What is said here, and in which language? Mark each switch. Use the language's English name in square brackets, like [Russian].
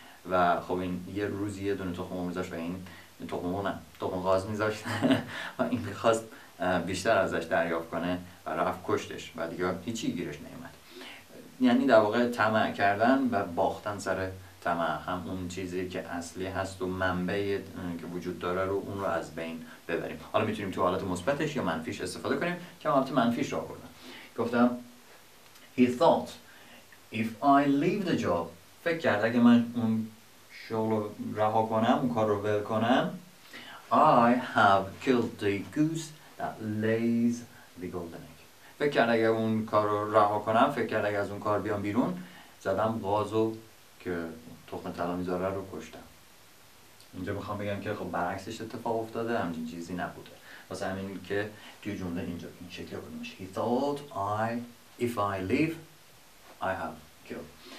[Persian] و خب این یه روزی یه دونه تخم مرغ میذاشت و این تخم مرغ نه، تخم قاز میذاشت و این میخواست بیشتر ازش دریافت کنه و رفت کشتش و دیگه هیچی گیرش نیومد. یعنی در واقع طمع کردن و باختن سر طمع، هم اون چیزی که اصلی هست و منبعی که وجود داره رو اون رو از بین ببریم. حالا میتونیم تو حالت مثبتش یا منفیش استفاده کنیم، که حالت منفیش رو آوردم. گفتم [English] He thought if I leave the job، [Persian] فکر کرد اگه من اون شغل رو رها کنم، اون کار رو ول کنم، [English] I have killed the goose that lays the golden egg. [Persian] فکر کرد اگه اون کار رو رها کنم، فکر کرد اگه از اون کار بیام بیرون، زدم غازو که تخم طلا میذاره رو کشتم. اینجا میخوام بگم که خب برعکسش اتفاق افتاده، همچین چیزی نبوده. واسه همین که توی جمله اینجا این شکلی بود میشه [English] He thought I if I leave I have killed.